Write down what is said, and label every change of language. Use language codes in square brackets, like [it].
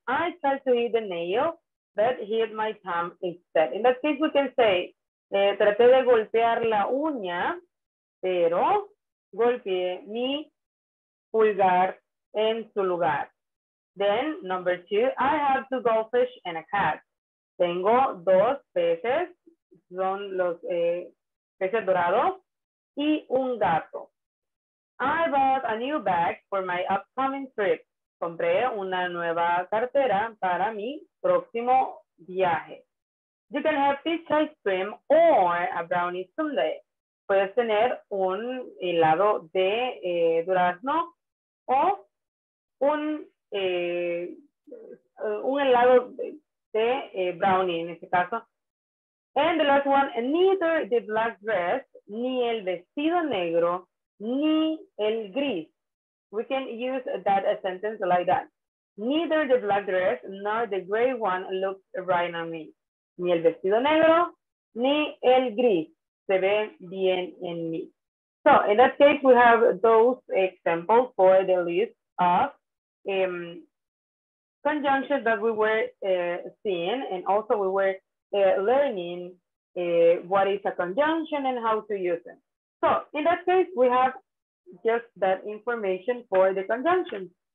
[en] I tried to hit the nail, but hit my thumb instead. In that case, we can say, [es] traté de golpear la uña, pero golpeé mi pulgar en su lugar. [en] Then, number two, I have two goldfish and a cat. [es] Tengo dos peces, son los peces dorados, y un gato. [en] I bought a new bag for my upcoming trip. [es] Compré una nueva cartera para mi próximo viaje. [en] You can have peach ice cream or a brownie sundae. [es] Puedes tener un helado de durazno o un helado de brownie, en este caso. [en] And the last one, neither the black dress, [es] ni el vestido negro, ni el gris. [en] We can use that a sentence like that. Neither the black dress nor the gray one looks right on me. [es] Ni el vestido negro, ni el gris se ve bien en mí. [en] So in that case, we have those examples for the list of conjunctions that we were seeing, and also we were learning what is a conjunction and how to use it. So in that case, we have just that information for the conjunction.